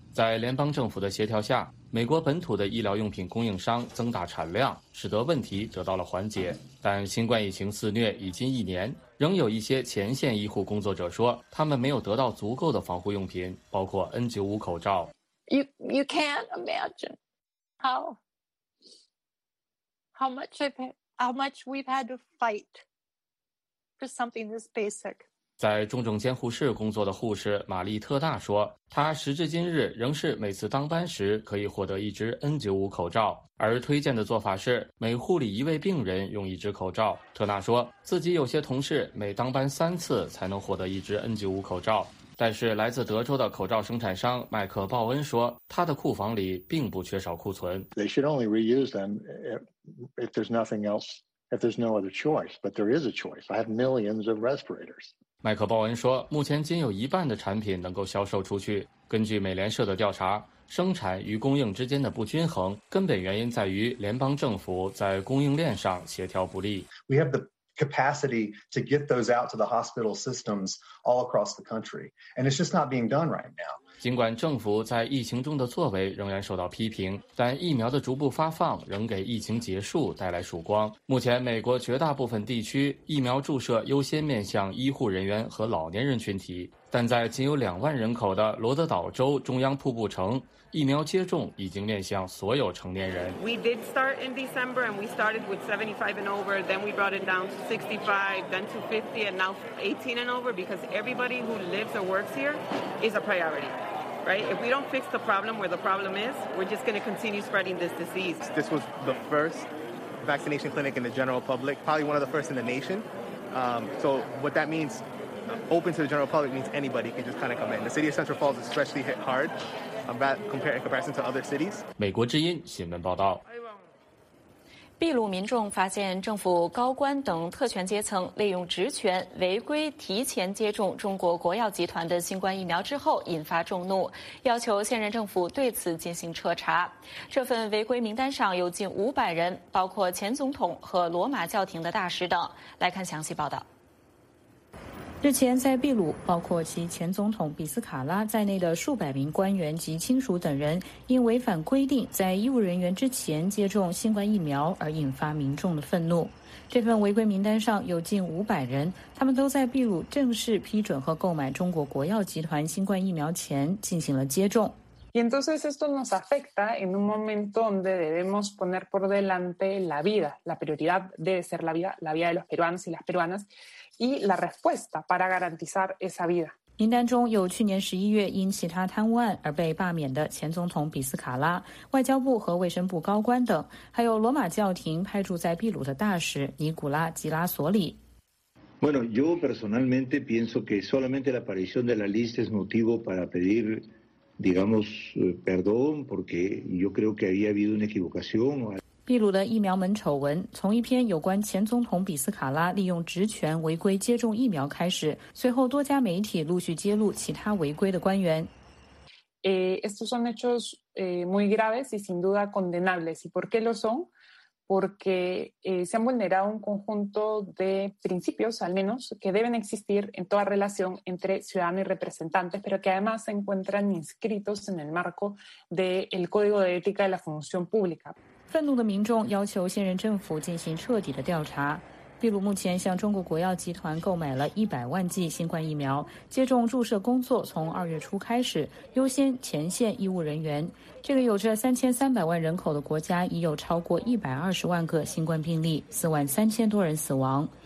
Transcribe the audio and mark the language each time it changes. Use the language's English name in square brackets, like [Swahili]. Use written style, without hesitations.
[Chinese] 在联邦政府的协调下，美国本土的医疗用品供应商增大产量，使得问题得到了缓解。但新冠疫情肆虐已近一年，仍有一些前线医护工作者说，他们没有得到足够的防护用品，包括 N95 口罩。 [English] You can't imagine how much we've had to fight for something this basic. [Chinese] 在重症监护室工作的护士玛丽特纳说，她时至今日仍是每次当班时可以获得一只 N95 口罩，而推荐的做法是每护理一位病人用一只口罩。特纳说自己有些同事每当班三次才能获得一只 N95 口罩，但是来自德州的口罩生产商麦克鲍恩说，他的库房里并不缺少库存。 [English] They should only reuse them if there's nothing else, if there's no other choice, but there is a choice. I have millions of respirators. [Chinese] 麦克鲍恩说，目前仅有一半的产品能够销售出去。根据美联社的调查，生产与供应之间的不均衡根本原因在于联邦政府在供应链上协调不力。 [English] We have the capacity to get those out to the hospital systems all across the country, and it's just not being done right now. [Chinese] 尽管政府在疫情中的作为仍然受到批评，但疫苗的逐步发放仍给疫情结束带来曙光。目前美国绝大部分地区疫苗注射优先面向医护人员和老年人群体，但在仅有20,000人口的罗德岛州中央瀑布城，疫苗接种已经面向所有成年人。 [English] We did start in December and we started with 75 and over, then we brought it down to 65, then to 50, and now 18 and over, because everybody who lives or works here is a priority, right? If we don't fix the problem where the problem is, we're just going to continue spreading this disease. This was the first vaccination clinic in the general public, probably one of the first in the nation. So what that means, open to the general public means anybody can just kind of come in. The city of Central Falls is especially hit hard. Comparison to other cities. [Chinese] 美国之音新闻报道。秘鲁民众发现政府高官等特权阶层利用职权违规提前接种中国国药集团的新冠疫苗之后引发众怒，要求现任政府对此进行彻查。这份违规名单上有近500人，包括前总统和罗马教廷的大使等。来看详细报道。日前在秘鲁，包括其前总统比斯卡拉在内的数百名官员及亲属等人因违反规定在医务人员之前接种新冠疫苗而引发民众的愤怒。这份违规名单上有近500人，他们都在秘鲁正式批准和购买中国国药集团新冠疫苗前进行了接种。 [Spanish] Y entonces esto nos afecta en un momento donde debemos poner por delante la vida. La prioridad debe ser la vida de los peruanos y las peruanas y la respuesta para garantizar esa vida. [Chinese] 名单中有去年11月因其他贪污案而被罢免的前总统比斯卡拉、外交部和卫生部高官等，还有罗马教廷派驻在秘鲁的大使尼古拉·吉拉索里。 [Spanish] Bueno, yo personalmente pienso que solamente la aparición de la lista es motivo para pedirDigamos, perdón, porque yo creo que había habido una equivocación. [Chinese] 秘鲁的疫苗门丑闻从一篇有关前总统比斯卡拉利用职权违规接种疫苗开始，随后多家媒体陆续揭露其他违规的官员。 [Spanish] Estos son hechos muy graves y sin duda condenables. ¿Y por qué lo son? Porque se han vulnerado un conjunto de principios, al menos, que deben existir en toda relación entre ciudadanos y representantes, pero que además se encuentran inscritos en el marco del Código de Ética de la Función Pública. [Chinese] 愤怒的民众要求现任政府进行彻底的调查。秘鲁目前向中国国药集团购买了100万剂新冠疫苗，接种注射工作从二月初开始，优先前线医务人员。这个有着3300万人口的国家已有超过120万个新冠病例，43000多人死亡。